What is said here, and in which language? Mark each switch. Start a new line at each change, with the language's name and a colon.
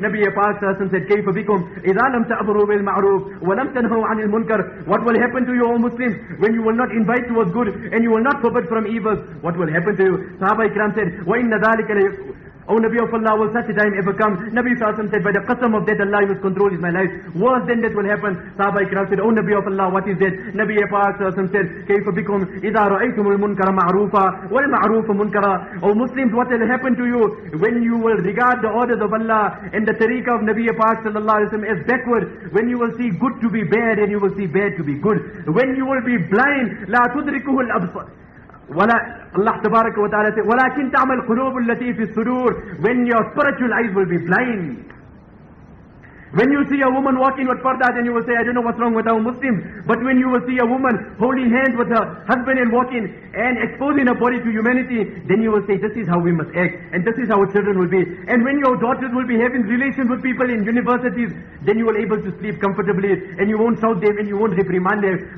English: Nabi Paak Sahib said,
Arabic: كيف بكم إذا لم تأمروا بالمعروف ولم تنهوا عن المنكر.
English: What will happen to you, O Muslims, when you will not invite towards good and you will not forbid from evil? What will happen to you? Sahaba Ikram said,
Arabic: وإن ذلك
English: O Nabi of Allah, will such a time ever come? Nabi Sahib said, by the qasam of death, Allah whose control is my life, worse than that will happen. Sahaba Ikram said, O Nabi of Allah, what is it? Nabi Paak Sahib said,
Arabic: كيف بكم إذا رأيتم المنكر معروفا والمعروف منكرا.
English: O Muslims, what will happen to you when you will regard the orders of Allah and the tariqa of Nabi Paak sallallahu alayhi wa sallam as backward? When you will see good to be bad and you will see bad to be good? When you will be blind,
Arabic: لا تدركه الأبصار.
English: Allah tabaraka wa ta'ala said,
Arabic: وَلَكِنْ تَعْمَ الْقُلُوبُ الَّتِي فِي الصُّدُورِ.
English: When your spiritual eyes will be blind. When you see a woman walking with parda, then you will say, I don't know what's wrong with our Muslim. But when you will see a woman holding hands with her husband and walking and exposing her body to humanity, then you will say, this is how we must act and this is how our children will be. And when your daughters will be having relations with people in universities, then you will be able to sleep comfortably and you won't shout them and you won't reprimand them.